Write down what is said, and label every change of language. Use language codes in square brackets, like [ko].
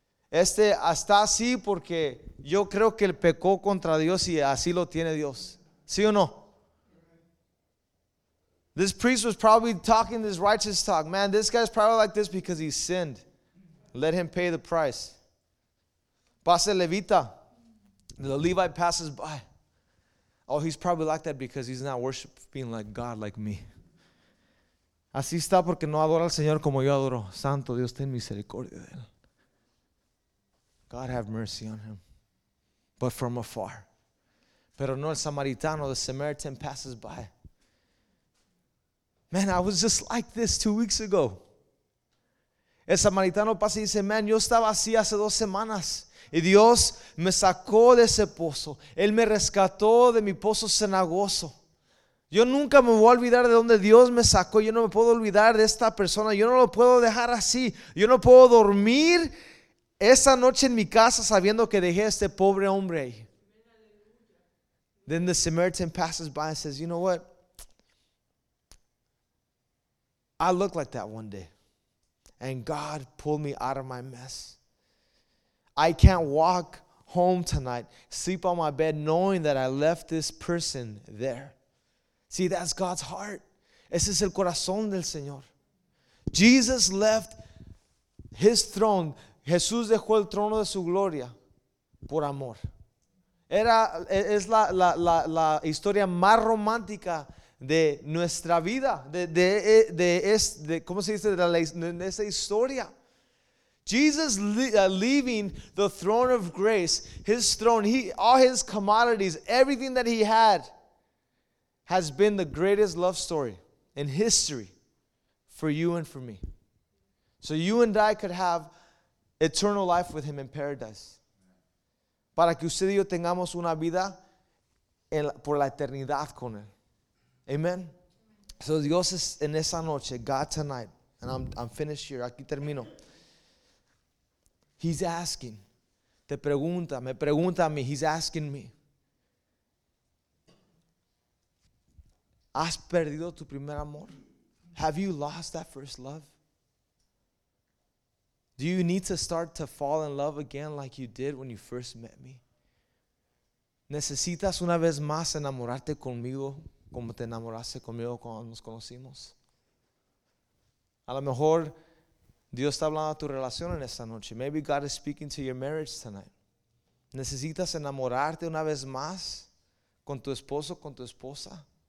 [es] Este está así porque yo creo que él pecó contra Dios y así lo tiene Dios. ¿Sí o no? [en] This priest was probably talking this righteous talk. Man, this guy's probably like this because he sinned. Let him pay the price. [es] Pase levita. [en] The Levite passes by. Oh, he's probably like that because he's not worshiping like God, like me. [es] Así está porque no adora al Señor como yo adoro. Santo Dios, ten misericordia de él. [en] God have mercy on him. But from afar. [es] Pero no el Samaritano, [en] the Samaritan passes by. Man, I was just like this 2 weeks ago. [es] El Samaritano pasa y dice, man, yo estaba así hace 2 semanas. Y Dios me sacó de ese pozo. Él me rescató de mi pozo cenagoso. Yo nunca me voy a olvidar de donde Dios me sacó. Yo no me puedo olvidar de esta persona. Yo no lo puedo dejar así. Yo no puedo dormir esa noche en mi casa sabiendo que dejé a este pobre hombre ahí. [en] Then the Samaritan passes by and says, you know what? I look like that one day. And God pulled me out of my mess. I can't walk home tonight, sleep on my bed, knowing that I left this person there. See, that's God's heart. [es] Ese es el corazón del Señor. [en] Jesus left his throne. [es] Jesús dejó el trono de su gloria por amor. Es la historia más romántica de nuestra vida. De esa historia. [en] Jesus leaving the throne of grace, his throne, all his commodities, everything that he had, has been the greatest love story in history for you and for me. So you and I could have eternal life with him in paradise. [es] Para que usted y yo tengamos una vida por la eternidad con él. [en] Amen. So [es] Dios es en esa noche, [en] God tonight, and I'm finished here, [es] aquí termino. [en] He's asking, [es] te pregunta, me pregunta a mí, [en] he's asking me. [es] ¿Has perdido tu primer amor? [en] Have you lost that first love? Do you need to start to fall in love again like you did when you first met me? [es] ¿Necesitas una vez más enamorarte conmigo como te enamoraste conmigo cuando nos conocimos? A lo mejor Dios está hablando a tu relación en esta noche. [en] Maybe God is speaking to your marriage tonight. [es] Necesitas enamorarte una vez más con tu esposo, con tu esposa.